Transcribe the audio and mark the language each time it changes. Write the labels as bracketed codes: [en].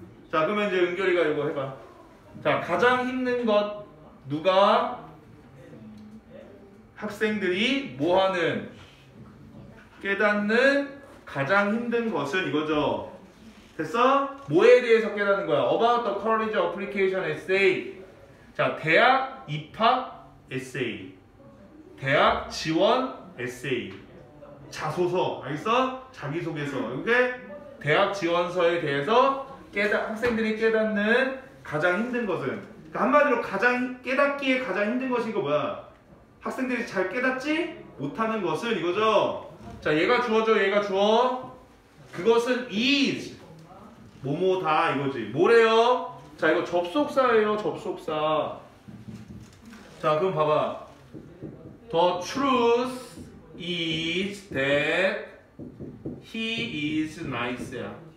[ko] 자, 그러면 이제 은결이가 이거 해봐. 자, 가장 힘든 것 누가? 학생들이 뭐 하는? 깨닫는 가장 힘든 것은 이거죠. 됐어? 뭐에 대해서 깨닫는 거야? [en] About the college application essay. [ko] 자, 대학 입학 essay. 대학 지원 essay. 자소서. 알겠어? 자기소개서. 이게 대학 지원서에 대해서 학생들이 깨닫는 가장 힘든 것은. 그러니까 한마디로 가장 깨닫기에 가장 힘든 것이 이거 뭐야? 학생들이 잘 깨닫지 못하는 것은 이거죠. 자, 얘가 주어져, 얘가 주어. 그것은 is 뭐뭐다 이거지. 뭐래요? 자, 이거 접속사예요, 접속사. 자, 그럼 봐봐. [en] The truth is that he is nice야.